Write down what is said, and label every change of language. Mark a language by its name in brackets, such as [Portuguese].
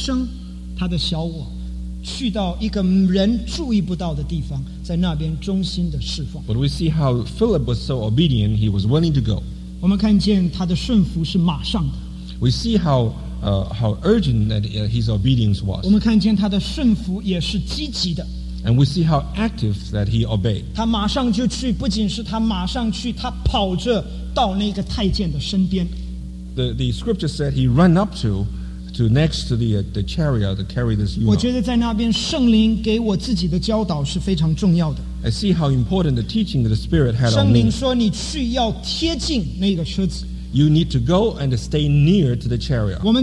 [Chinese] 但是我们看见腓力还是愿意牺牲他的小我。去到一个人注意不到的地方，在那边忠心的侍奉。 [English] But we see how Philip was so obedient, he was willing to go. [Chinese] 我们看见他的顺服是马上的。 [English] We see how urgent that his obedience was. [Chinese] 我们看见他的顺服也是积极的。 [English] And we see how active that he obeyed. [Chinese] 他马上就去，不仅是他马上去，他跑着到那个太监的身边。 [English] The scripture said he ran up to next to the chariot to carry this eunuch. [Chinese] 我觉得在那边圣灵给我自己的教导是非常重要的。 [English] I see how important the teaching that the Spirit had on me. [Chinese] 圣灵说你去要贴近那个车子。 [English] You need to go and stay near to the chariot.